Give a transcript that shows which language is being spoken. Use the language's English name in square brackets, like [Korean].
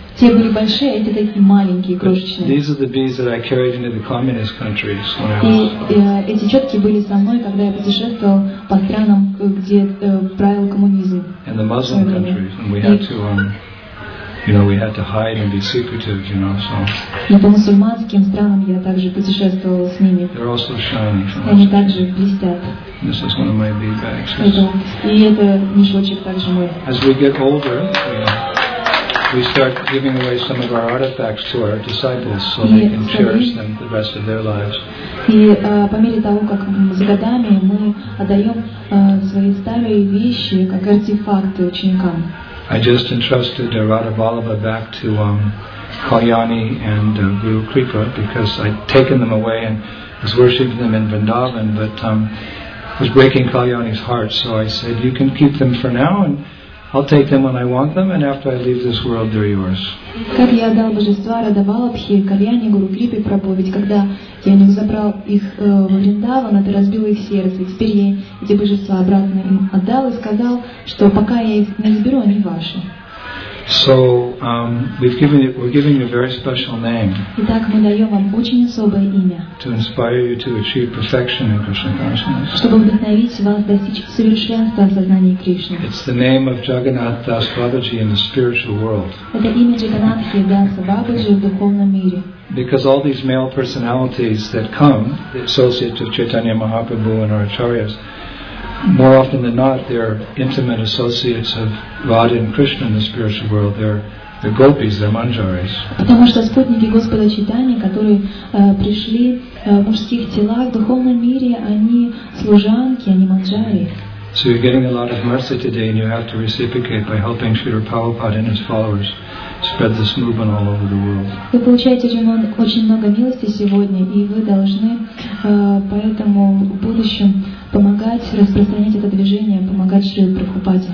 [Russian] Те были большие, а эти такие маленькие, крошечные. [English] These are the beads that I carried into the communist countries. [Russian] Эти четки были со мной, когда я путешествовал по странам, где правил коммунизм. [English] And the Muslim countries, and we had to, you know, we had to hide and be secretive, you know, so. [Russian] Но по мусульманским странам я также путешествовал с ними. [English] They're also shiny. [Russian] Они также блестят. [English] This is one of my bead bags. [Russian] И это мешочек также мой. [English] As we get older, we start giving away some of our artifacts to our disciples so they can cherish them the rest of their lives. [Russian] И по мере того, как с годами мы отдаем свои старые вещи как артефакты ученикам. [English] I just entrusted Radha Vallabha back to Kalyani and Guru Kripa because I'd taken them away and was worshipping them in Vrindavan, but was breaking Kalyani's heart. So I said, you can keep them for now and I'll take them when I want them, and after I leave this world, they're yours. [Russian] Как я дал божества Радха Валабхи, Кальяни, Гуру Крипе проповедь, когда я не забрал их в Вриндаван, ты разбил их сердце, и теперь я эти божества обратно им отдал и сказал, что пока я их не заберу, они ваши. [English] So we're giving you a very special name. [Russian] Итак, мы даем вам очень особое имя. [English] To inspire you to achieve perfection in Krishna consciousness. [Russian] Чтобы вдохновить вас достичь совершенства в сознании Кришны. [English] It's the name of Jagannath Das Babaji in the spiritual world. [Russian] Это имя Джаганнатхи Даса Бабаджи в духовном мире. [English] Because all these male personalities that come, the associates of Chaitanya Mahaprabhu and our acharyas. More often than not, they're intimate associates of Radha and Krishna in the spiritual world. They're gopis, they're manjaris. [Russian] Потому что спутники Господа Чайтаньи, которые пришли в мужских телах в духовном мире, они служанки, они манджари. [English] So you're getting a lot of mercy today, and you have to reciprocate by helping Srila Prabhupada and his followers spread this movement all over the world. [Russian] Вы получаете очень много милости сегодня, и вы должны поэтому в будущем помогать распространять это движение, помогать Шри Прабхупаде.